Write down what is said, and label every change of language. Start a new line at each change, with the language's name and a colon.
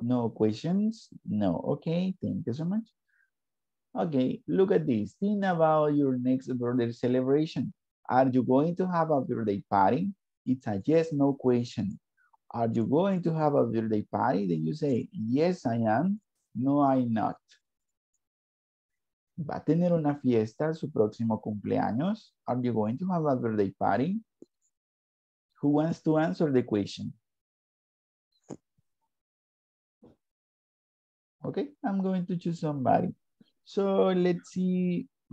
English: No questions? No. Okay, thank you so much. Okay, look at this. Think about your next birthday celebration. Are you going to have a birthday party? It's a yes, no question. Are you going to have a birthday party? Then you say, yes, I am. No, I'm not.
Spanish: ¿Va a tener una fiesta su próximo cumpleaños?
English: Are you going to have a birthday party? Who wants to answer the question? Okay, I'm going to choose somebody. So let's see.